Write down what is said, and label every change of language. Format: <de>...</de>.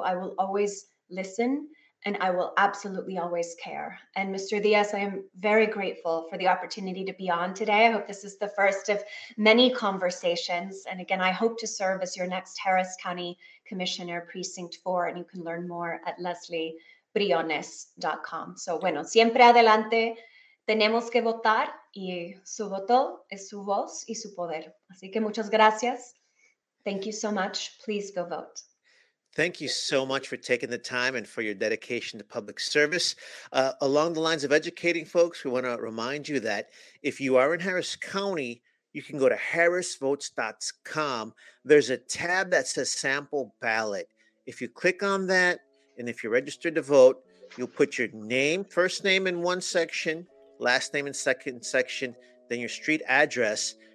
<en>I will always listen and I will absolutely always care. And Mr. Diaz, I am very grateful for the opportunity to be on today. I hope this is the first of many conversations. And again, I hope to serve as your next Harris County Commissioner, Precinct 4, and you can learn more at lesleybriones.com.</en> <es>So bueno, siempre adelante, tenemos que votar, y su voto es su voz y su poder. Así que muchas gracias.</es> <en>Thank you so much. Please go vote. Thank you so much for taking the time and for your dedication to public service. Along the lines of educating folks, we want to remind you that if you are in Harris County, you can go to harrisvotes.com. There's a tab that says sample ballot. If you click on that, and if you're registered to vote, you'll put your name, first name in one section, last name in second section, then your street address.</en>